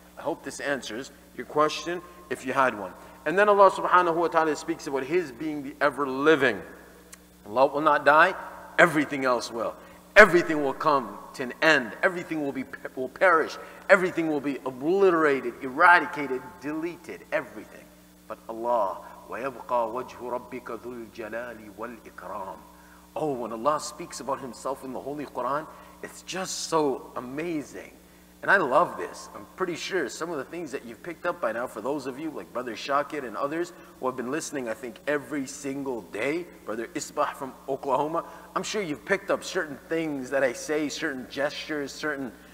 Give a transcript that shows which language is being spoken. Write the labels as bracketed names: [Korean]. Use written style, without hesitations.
[English] I hope this answers your question, if you had one. And then Allah subhanahu wa ta'ala speaks about His being the ever-living. Allah will not die, everything else will. Everything will come to an end. Everything will perish. Everything will be obliterated, eradicated, deleted. Everything. But Allah, [Arabic] وَيَبْقَى وَجْهُ رَبِّكَ ذُو الْجَلَالِ وَالْإِكْرَامِ. [English] Oh, when Allah speaks about Himself in the Holy Quran, it's just so amazing. And I love this. I'm pretty sure some of the things that you've picked up by now, for those of you like Brother Shakir and others who have been listening, I think, every single day, Brother Isbah from Oklahoma, I'm sure you've picked up certain things that I say, certain gestures, certain...